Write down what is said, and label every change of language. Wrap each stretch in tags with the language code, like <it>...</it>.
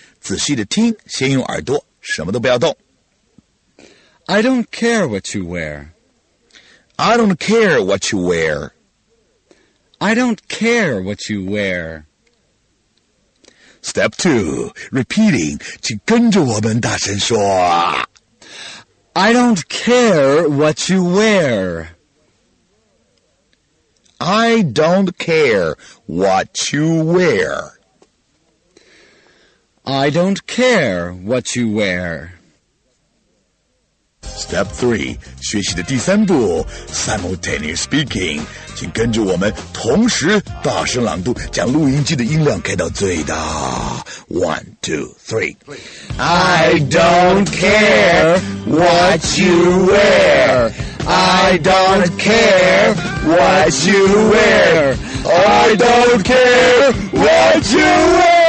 <zh>仔细地听,先用耳朵,什么都不要动。</zh> <en>I don't care what you wear. I don't care what you wear. I don't care what you wear. Step 2, repeating,</en> <zh>请跟着我们大声说。</zh> <en>I don't care what you wear. I don't care what you wear. I don't care what you wear. Step 3,</en> <zh>学习的第三步,</zh> <en>simultaneous speaking,</en> <zh>请跟着我们同时大声朗读，将录音机的音量开到最大。</zh> <en>1, 2, 3. I don't care what you wear. I don't care what you wear. I don't care what you wear.</en>